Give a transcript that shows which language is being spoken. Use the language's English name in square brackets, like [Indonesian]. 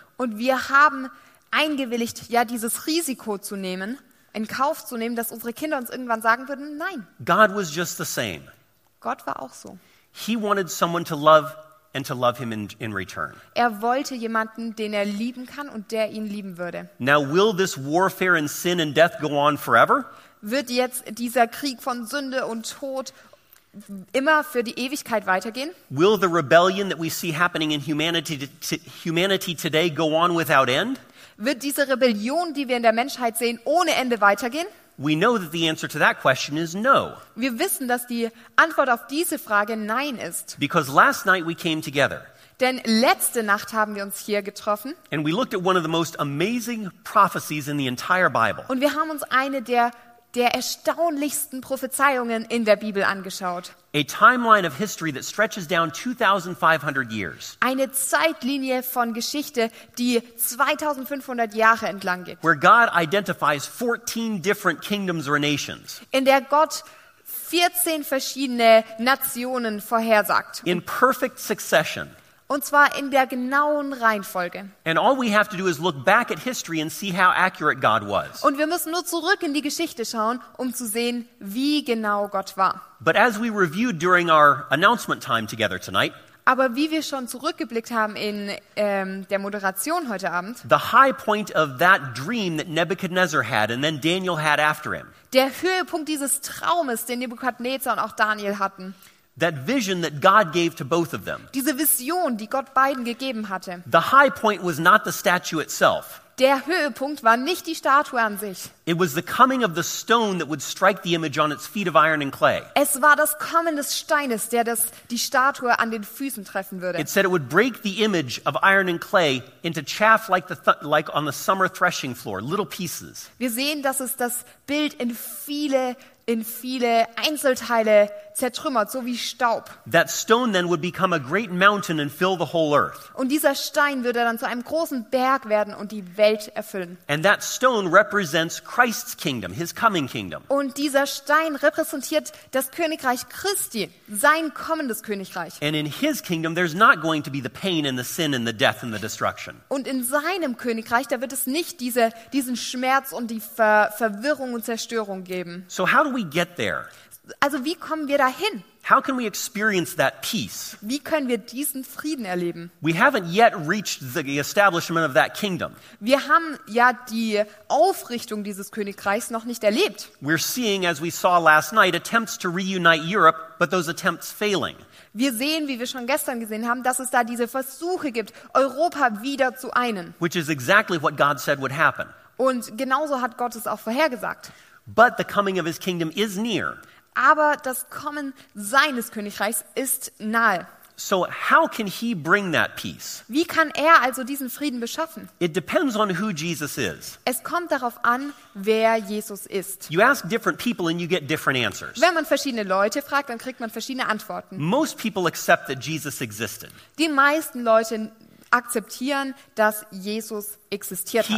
[German] Und wir haben eingewilligt, ja, dieses Risiko zu nehmen, in Kauf zu nehmen, dass unsere Kinder uns irgendwann sagen würden, nein. [English] God was just the same. [German] Gott war auch so. [English] He wanted someone to love and to love him in return. [German] Er wollte jemanden, den er lieben kann und der ihn lieben würde. [English] Now will this warfare and sin and death go on forever? [German] Wird jetzt dieser Krieg von Sünde und Tod immer für die Ewigkeit weitergehen? [English] Will the rebellion that we see happening in humanity today go on without end? [German] Wird diese Rebellion, die wir in der Menschheit sehen, ohne Ende weitergehen? [English] We know that the answer to that question is no. [German] Wir wissen, dass die Antwort auf diese Frage nein ist. [English] Because last night we came together. [German] Denn letzte Nacht haben wir uns hier getroffen. [English] And we looked at one of the most amazing prophecies in the entire Bible. [German] Und wir haben uns eine der erstaunlichsten Prophezeiungen in der Bibel angeschaut. [English] A timeline of history that stretches down 2500 years. [German] Eine Zeitlinie von Geschichte, die 2500 Jahre entlang geht. [English] Where God identifies 14 different kingdoms or nations. [German] In der Gott 14 verschiedene Nationen vorhersagt. [English] In perfect succession. [German] Und zwar in der genauen Reihenfolge. [English] And all we have to do is look back at history and see how accurate God was. [German] Und wir müssen nur zurück in die Geschichte schauen, um zu sehen, wie genau Gott war. [English] But as we reviewed during our announcement time together tonight, [German] aber wie wir schon zurückgeblickt haben in der Moderation heute Abend, [English] the high point of that dream that Nebuchadnezzar had and then Daniel had after him. [German] Der Höhepunkt dieses Traumes, den Nebukadnezar und auch Daniel hatten. [English] That vision that God gave to both of them. [German] Diese Vision, die Gott beiden gegeben hatte. [English] The high point was not the statue itself. [German] Der Höhepunkt war nicht die Statue an sich. [English] It was the coming of the stone that would strike the image on its feet of iron and clay. [German] Es war das Kommen des Steines, der das die Statue an den Füßen treffen würde. [English] It said it would break the image of iron and clay into chaff like on the summer threshing floor, little pieces. [German] Wir sehen, dass es das Bild in viele Einzelteile zertrümmert, so wie Staub. [English] That stone then would become a great mountain and fill the whole earth. [German] Und dieser Stein würde dann zu einem großen Berg werden und die Welt erfüllen. [English] And that stone represents Christ's kingdom, his coming kingdom. [German] Und dieser Stein repräsentiert das Königreich Christi, sein kommendes Königreich. [English] And in his kingdom there's not going to be the pain and the sin and the death and the destruction. [German] Und in seinem Königreich, da wird es nicht diesen Schmerz und die Verwirrung und Zerstörung geben. [English] So how do we get there? [German] Also wie kommen wir dahin? [English] How can we experience that peace? [German] Wie können wir diesen Frieden erleben? [English] We haven't yet reached the establishment of that kingdom. [German] Wir haben ja die Aufrichtung dieses Königreichs noch nicht erlebt. [English] We're seeing, as we saw last night, attempts to reunite Europe, but those attempts failing. [German] Wir sehen, wie wir schon gestern gesehen haben, dass es da diese Versuche gibt, Europa wieder zu einen. [English] Which is exactly what God said would happen. [German] Und genauso hat Gott es auch vorhergesagt. [English] But the coming of his kingdom is near. [German] Aber das Kommen seines Königreichs ist nahe. [English] So how can he bring that peace? [German] Wie kann er also diesen Frieden beschaffen? [English] It depends on who Jesus is. [German] Es kommt darauf an, wer Jesus ist. [English] You ask different people and you get different answers. [German] Wenn man verschiedene Leute fragt, dann kriegt man verschiedene Antworten. [English] Most people accept that Jesus existed. [German] Die meisten Leute akzeptieren, dass Jesus existiert hat.